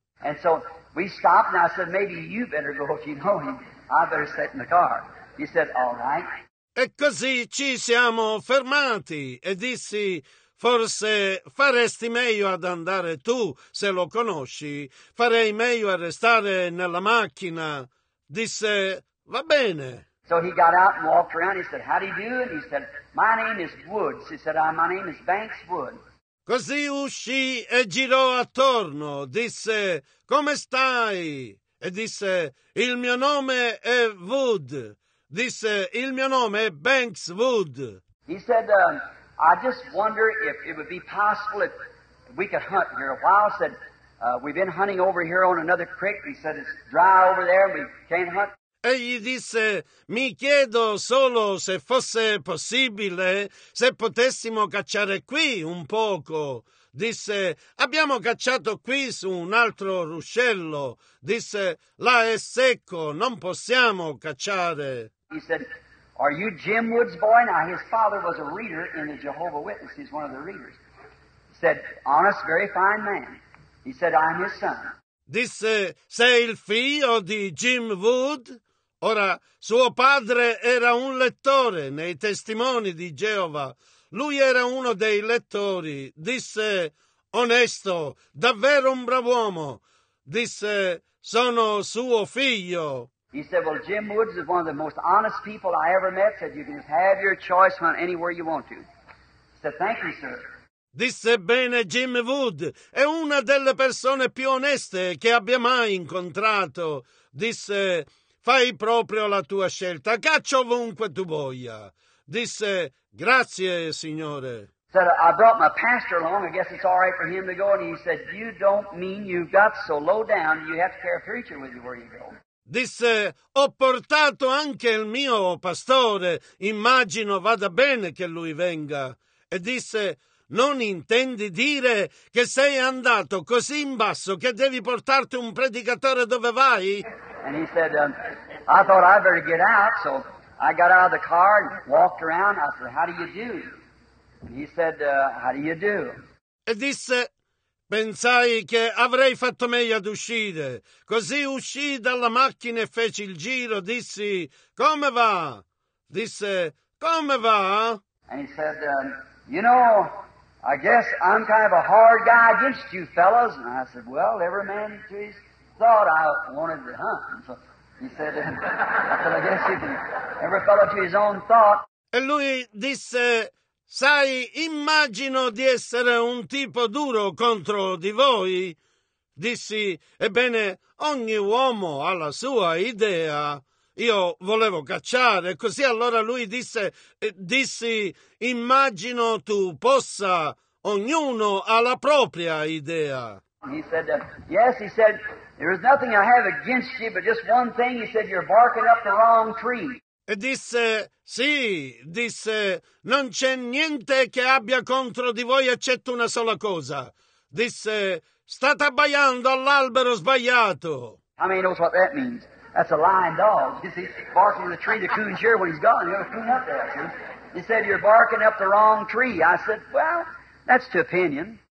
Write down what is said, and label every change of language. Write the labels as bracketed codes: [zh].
[en] And so we stopped and I said, maybe you better go if you know him. I better sit in the car. He said, all right. [it] E così ci siamo fermati e dissi, forse faresti meglio ad andare tu, se lo conosci. Farei meglio a restare nella macchina. Disse, va bene. [en] So he got out and walked around. He said, how do you do? And he said, my name is Woods. He said, my name is Banks Wood. [it] Così uscì e girò attorno, disse, come stai? E disse, il mio nome è Wood. Disse, il mio nome è Banks Wood. [en] He said, I just wonder if it would be possible if we could hunt here a while. Said, we've been hunting over here on another creek. He said, it's dry over there, we can't hunt. [it] E gli disse, mi chiedo solo se fosse possibile, se potessimo cacciare qui un poco. Disse, abbiamo cacciato qui su un altro ruscello. Disse, là è secco, non possiamo cacciare. [en] He said, are you Jim Wood's boy? Now his father was a reader in the Jehovah Witnesses, one of the readers. He said, honest, very fine man. He said, I'm his son. [it] Disse, sei il figlio di Jim Wood? Ora, suo padre era un lettore nei Testimoni di Geova. Lui era uno dei lettori. Disse, onesto, davvero un bravo uomo. Disse, sono suo figlio. [en] He said, well, Jim Woods is one of the most honest people I ever met. Said, you can have your choice from anywhere you want to. He said, thank you, sir. [it] Disse, bene, Jim Wood è una delle persone più oneste che abbia mai incontrato. Disse, fai proprio la tua scelta, caccia ovunque tu voglia. Disse, grazie, signore. [en] Said, I brought my pastor along, I guess it's all right for him to go. And he said, you don't mean you've got so low down, you have to carry a preacher with you where you go. [it] Disse, ho portato anche il mio pastore, immagino vada bene che lui venga. E disse, non intendi dire che sei andato così in basso che devi portarti un predicatore dove vai? [en] And he said, I thought I better get out, so I got out of the car and walked around. I said, how do you do? And he said, how do you do? [it] E disse, pensai che avrei fatto meglio ad uscire. Così uscì dalla macchina e feci il giro. Dissi, come va? Disse, come va? [en] And he said, you know, I guess I'm kind of a hard guy against you fellows. And I said, well, every man to his thought, I wanted to hunt. So he said, I guess you can, every fellow to his own thought. [it] E lui disse, sai, immagino di essere un tipo duro contro di voi. Dissi, ebbene, ogni uomo ha la sua idea. Io volevo cacciare, così allora lui disse, dissi, immagino tu possa, ognuno ha la propria idea. [en] He said, yes, he said, there is nothing I have against you, but just one thing, he said, you're barking up the wrong tree. [it] E disse, sì, disse, non c'è niente che abbia contro di voi eccetto una sola cosa. Disse, state abbaiando all'albero sbagliato. [en] How many knows what that means? That's a lying dog. You see, barking in the tree, the coon's here when he's gone. You have a coon up there, see? He said, you're barking up the wrong tree. I said, well, that's to opinion.